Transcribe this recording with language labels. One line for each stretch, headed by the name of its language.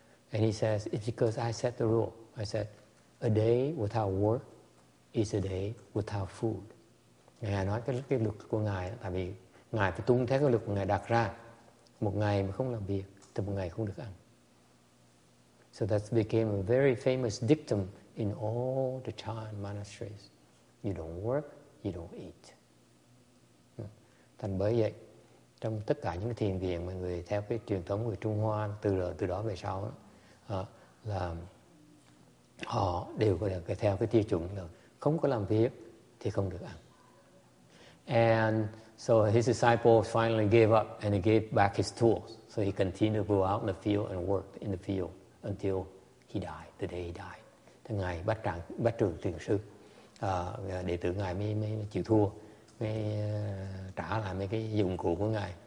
English: And he says, it's because I set the rule. I said, a day without work is a day without food.
Vietnamese: Ngài nói cái luật của ngài, tại vì ngài phải tuân theo cái luật của ngài đặt ra. Một ngày mà không làm việc thì một ngày không được ăn.
English: So that became a very famous dictum in all the Chan monasteries. You don't work, you don't eat.
Vietnamese: Thành bởi vậy, trong tất cả những cái thiền viện mà người theo cái truyền thống người Trung Hoa từ đó về sau đó, là họ đều có theo cái tiêu chuẩn là không có làm việc thì không được ăn.
English: And so his disciple finally gave up and he gave back his tools. So he continued to go out in the field and work in the field until he died, the day he died.
Vietnamese: Thế ngài bắt trạng bắt trường thiền sư đệ tử ngài mới chịu thua mới trả lại mấy cái dụng cụ của ngài.